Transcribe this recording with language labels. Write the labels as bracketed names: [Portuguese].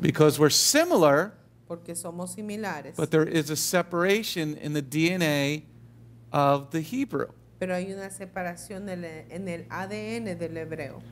[English] Because we're similar. [Spanish] Porque somos similares. [English] But there is a separation in the DNA of the Hebrew. [Spanish] Pero hay una separación en el ADN del hebreo.